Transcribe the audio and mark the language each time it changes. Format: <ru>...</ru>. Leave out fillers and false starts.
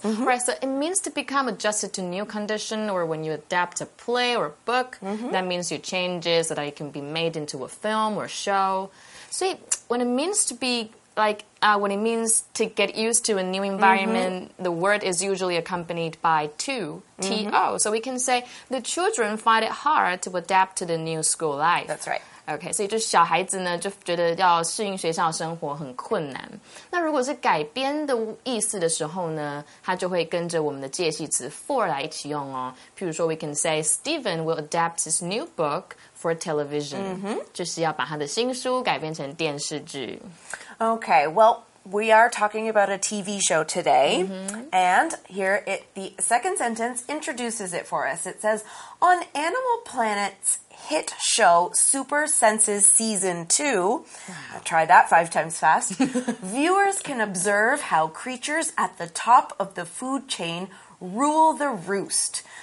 <en>Right, so it means to become adjusted to new condition, or when you adapt a play or book, that means you change it so that it can be made into a film or show. So when it means to be like, what it means to get used to a new environment,、mm-hmm. the word is usually accompanied by to, T-O.、Mm-hmm. So we can say, the children find it hard to adapt to the new school life. That's right.</en> <zh>Okay, 所以就小孩子呢就觉得要适应学校生活很困难。那如果是改编的意思的时候呢，他就会跟着我们的介系词 for 来一起用哦。譬如说</zh> <en>we can say Stephen will adapt his new book for television、mm-hmm.</en> <zh>就是要把他的新书改编成电视剧。</zh> <en>Okay, well, we are talking about a TV show today、mm-hmm. and here it, the second sentence introduces it for us. It says, on Animal Planet'sHit show Super Senses Season 2, I tried that 5 times fast, viewers can observe how creatures at the top of the food chain rule the roost.</en>